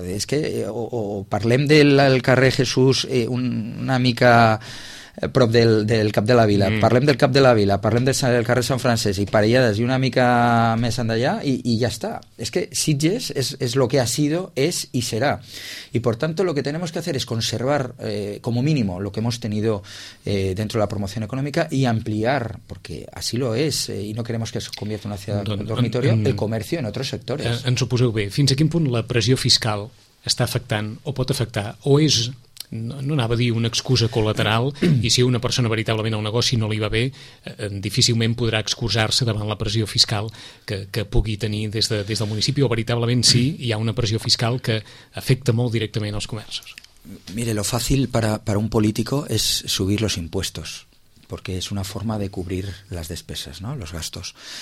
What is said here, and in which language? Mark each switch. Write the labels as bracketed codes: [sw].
[ca] Es que o parlem del carrer Jesús una mica prop del Cap de la Vila, parlem del Cap de la Vila, parlem del carrer Sant Francesc i Parellades i una mica més endallà i ja està. És que Sitges és [es] lo que ha sido, [ca] és i serà. [es] I, por tanto, lo que tenemos que hacer es conservar como mínimo lo que hemos tenido dentro de la promoción económica y ampliar, porque así lo es, y no queremos que se convierta en una ciudad dormitorio, el comercio en otros sectores. [ca] Ens ho poseu bé. Fins a quin punt la pressió fiscal està afectant o pot afectar o és... No anava a dir una excusa col·lateral, i si una persona veritablement al negoci no li va bé, difícilment podrà excusar-se davant la pressió fiscal que pugui tenir des del municipi, o veritablement sí, hi ha una pressió fiscal que afecta molt directament els comerços. [es] Mire, lo fácil para un político es subir los impuestos, porque es una forma de cubrir las despesas, ¿no? Los gastos.